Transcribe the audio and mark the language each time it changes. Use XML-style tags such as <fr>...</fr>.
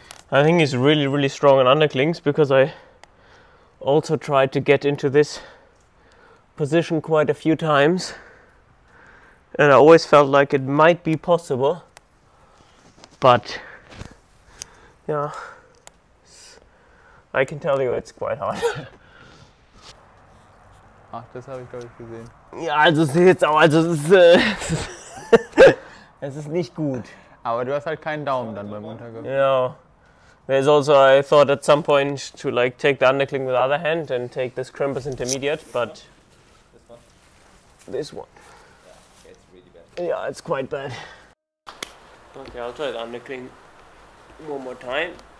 <en>I think he's really, really strong on underclings because I also tried to get into this position quite a few times and I always felt like it might be possible, but yeah, I can tell you it's quite hard.</en> <de>Ah, das habe ich glaube ich gesehen. Ja, also jetzt auch, also es ist nicht gut. Aber du hast halt keinen Daumen dann beim Untergang. Ja.</de> <en>There's also, I thought at some point to like take the undercling with the other hand and take this crimpus intermediate, but this one. Yeah, it's really bad. Yeah, it's quite bad. Okay, I'll try the undercling one more time.</en>